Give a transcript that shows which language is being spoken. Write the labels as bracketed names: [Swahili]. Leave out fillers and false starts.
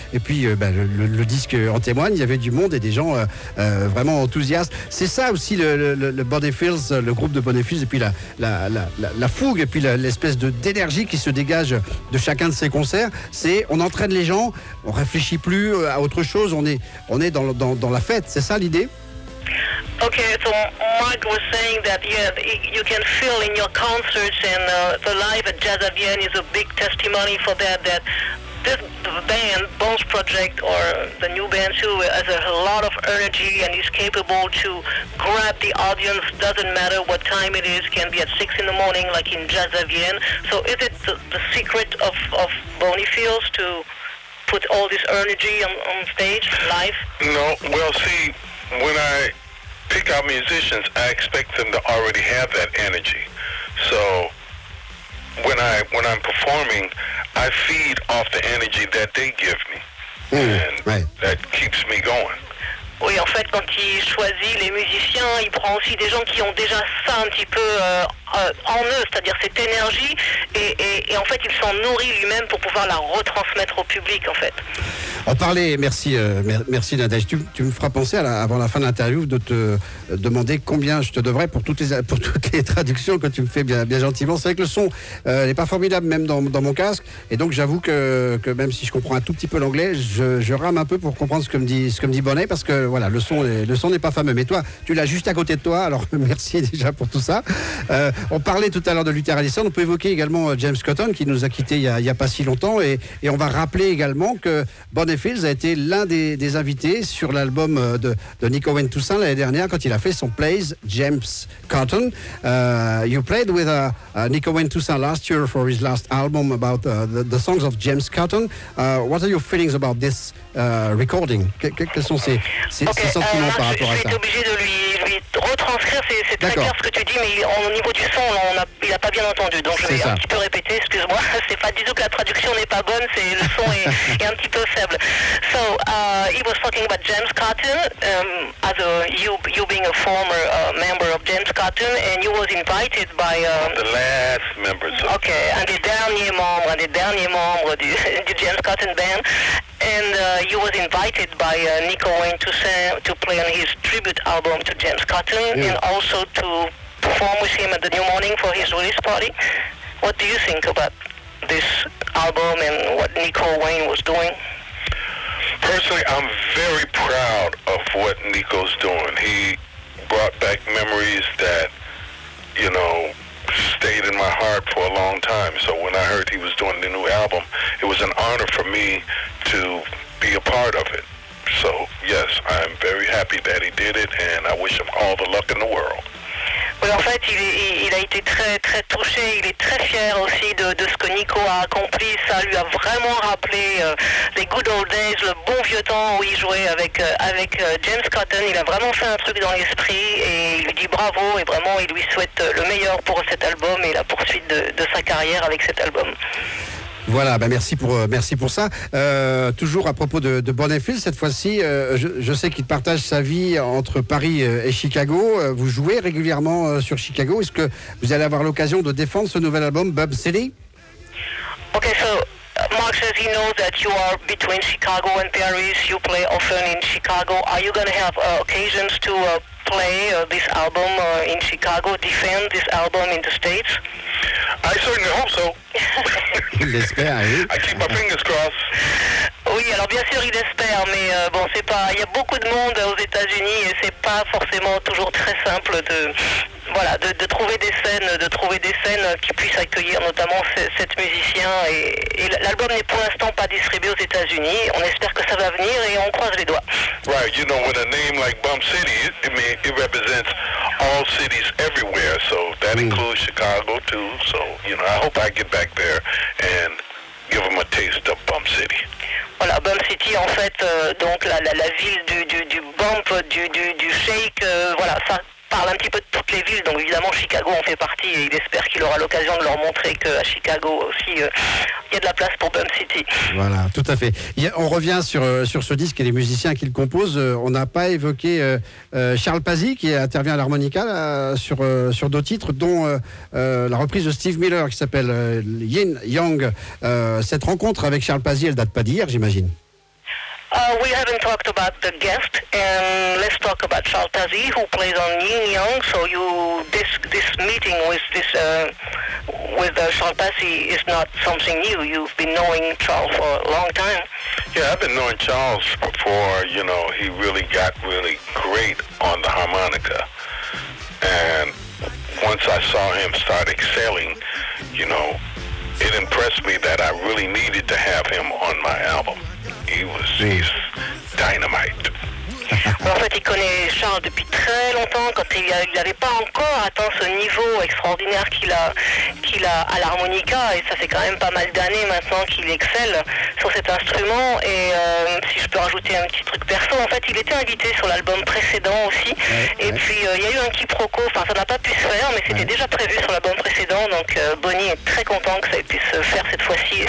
[French] Et puis le disque en témoigne, il y avait du monde et des gens vraiment enthousiastes. C'est ça aussi le Bonnefields, le groupe de Bonnefields, et puis la fougue et puis l'espèce d'énergie qui se dégage de chacun de ces concerts. C'est on entraîne les gens, on réfléchit plus à autre chose, on est dans la fête, c'est ça l'idée? [English] Okay, so Mark was saying that you can feel in your concerts and the live at Jazz à Vienne is a big testimony for that this band, Bones Project, or the new band too, has a lot of energy and is capable to grab the audience, doesn't matter what time it is, can be at 6 in the morning like in Jazz à Vienne. So is it the secret of Bonnefields to put all this energy on stage, live? No, well, see, when I pick out musicians, I expect them to already have that energy. So when I'm performing, I feed off the energy that they give me. That keeps me going. [French] Oui, en fait, quand il choisit les musiciens, il prend aussi des gens qui ont déjà ça un petit peu en eux, c'est-à-dire cette énergie, et en fait, il s'en nourrit lui-même pour pouvoir la retransmettre au public, en fait. En parler, merci Nadège. Tu me feras penser, avant la fin de l'interview, de te demander combien je te devrais pour toutes les traductions que tu me fais bien gentiment. C'est vrai que le son n'est pas formidable, même dans mon casque, et donc j'avoue que même si je comprends un tout petit peu l'anglais, je rame un peu pour comprendre ce que me dit Bonnet, parce que voilà, le son n'est pas fameux. Mais toi, tu l'as juste à côté de toi, alors merci déjà pour tout ça. On parlait tout à l'heure de Luther Allison, on peut évoquer également James Cotton, qui nous a quittés il y a pas si longtemps, et on va rappeler également que Bonnefields a été l'un des invités sur l'album de Nico Wayne Toussaint l'année dernière, quand il a fait son Plays James Cotton. [English] You played with Nico Wayne Toussaint last year for his last album about the songs of James Cotton. What are your feelings about this recording? [French] Quels sont ses sentiments par rapport à ça? Je vais être obligé de lui retranscrire, c'est très clair ce que tu dis, mais au niveau du son, il n'a pas bien entendu, donc je vais un petit peu répéter, excuse-moi. C'est pas du tout que la traduction n'est pas bonne, c'est le son est un petit peu faible. [English] So, he was talking about James Cotton, you being a former member of James Cotton, and you was invited by... the last member. Okay, and the [French] dernier membre du [English] James Cotton band. And you was invited by Nico Wayne Toussaint to play on his tribute album to James Cotton, and also to perform with him at the New Morning for his release party. What do you think about this album and what Nico Wayne was doing? Personally, I'm very proud of what Nico's doing. He brought back memories that, you know, stayed in my heart for a long time. So when I heard he was doing the new album, it was an honor for me to be a part of it. So yes, I'm very happy that he did it, and I wish him all the luck in the world. [French] Oui, en fait, il a été très très touché, il est très fier aussi de ce que Nico a accompli. Ça lui a vraiment rappelé les [English] good old days, [French] le bon vieux temps où il jouait avec James Cotton. Il a vraiment fait un truc dans l'esprit, et il lui dit bravo, et vraiment il lui souhaite le meilleur pour cet album et la poursuite de sa carrière avec cet album. Voilà, merci pour ça. Toujours à propos de Bonnefields, cette fois-ci, je sais qu'il partage sa vie entre Paris et Chicago. Vous jouez régulièrement sur Chicago. Est-ce que vous allez avoir l'occasion de défendre ce nouvel album, Bob City? [English] Okay, so Mark says he knows that you are between Chicago and Paris. You play often in Chicago. Are you going to have occasions to play this album in Chicago, defend this album in the States? I certainly hope so. [French] L'espère, oui. [English] I keep my fingers crossed. [French] Oui, alors bien sûr, il espère, mais bon, c'est pas. Il y a beaucoup de monde aux États-Unis et c'est pas forcément toujours très simple de. Voilà, de trouver des scènes, de trouver des scènes qui puissent accueillir notamment cette musicien. Et l'album n'est pour l'instant pas distribué aux États-Unis. On espère que ça va venir et on croise les doigts. [English] Right, you know, with a name like Bump City, it represents all cities everywhere. So that includes Chicago too. So, you know, I hope I get back there and give them a taste of Bump City. [French] Voilà, Bump City, en fait, donc la ville du Bump, du Shake, voilà, ça parle un petit peu de toutes les villes, donc évidemment Chicago en fait partie et il espère qu'il aura l'occasion de leur montrer qu'à Chicago aussi il y a de la place pour Bump City. Voilà, tout à fait. On revient sur ce disque et les musiciens qui le composent. On n'a pas évoqué Charles Pazzi qui intervient à l'harmonica là, sur deux titres, dont la reprise de Steve Miller qui s'appelle Yin Yang. Cette rencontre avec Charles Pazzi, elle ne date pas d'hier, j'imagine. [English] We haven't talked about the guest, and let's talk about Charles Pazzi, who plays on Yin Yang. So this meeting with this with Charles Pazzi is not something new. You've been knowing Charles for a long time. Yeah, I've been knowing Charles before. You know, he really got really great on the harmonica, and once I saw him start excelling, you know, it impressed me that I really needed to have him on my album. He was this dynamite. [French] En fait, il connaît Charles depuis très longtemps, quand il n'avait pas encore atteint ce niveau extraordinaire qu'il a à l'harmonica, et ça fait quand même pas mal d'années maintenant qu'il excelle sur cet instrument. Et si je peux rajouter un petit truc perso, en fait, il était invité sur l'album précédent aussi, puis il y a eu un quiproquo, enfin ça n'a pas pu se faire, mais c'était déjà prévu sur l'album précédent, donc Bonnie est très content que ça ait pu se faire cette fois-ci.